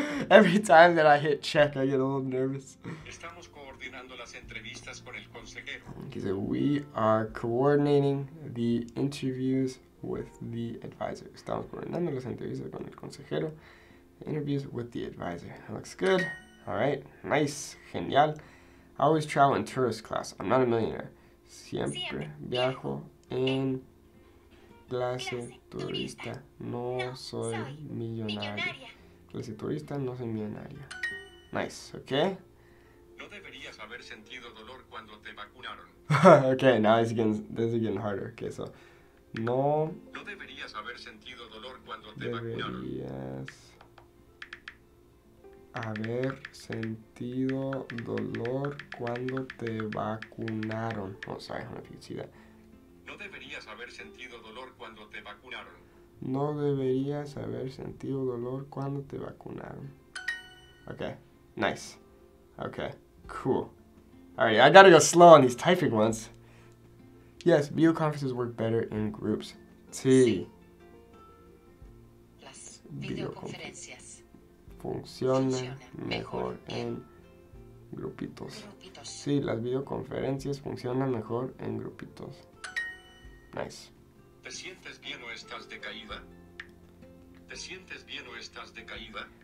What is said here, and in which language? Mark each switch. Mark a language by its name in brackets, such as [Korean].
[English] Every time that I hit check, I get a little nervous. [Spanish] Estamos coordinando las entrevistas con el consejero. [English] He said, we are coordinating the interviews with the advisor. [Spanish] Estamos coordinando las entrevistas con el consejero. [English] Interviews with the advisor. That looks good. All right. Nice. Genial. I always travel in tourist class. I'm not a millionaire. [Spanish] Siempre viajo en clase turista. No soy millonario. Clase turista, no soy millonario. [English] Nice. Okay. [Spanish] No deberías haber sentido dolor cuando te vacunaron. [English] Okay. Now it's getting, this is getting harder. Okay. So. No. [Spanish] No deberías haber sentido dolor cuando te vacunaron. Deberías haber sentido dolor cuando te vacunaron. [English] Oh, sorry, I don't know if you can see that. [Spanish] No deberías haber sentido dolor cuando te vacunaron. No deberías haber sentido dolor cuando te vacunaron. [English] Okay, nice. Okay, cool. Alright, I gotta go slow on these typing ones. Yes, video conferences work better in groups. [Spanish] T. Sí. Las videoconferencias. Funciona mejor en grupitos. Sí, las videoconferencias funcionan mejor en grupitos. [English] Nice. [Spanish] ¿Te sientes bien o estás decaída? ¿Te sientes bien o estás decaída?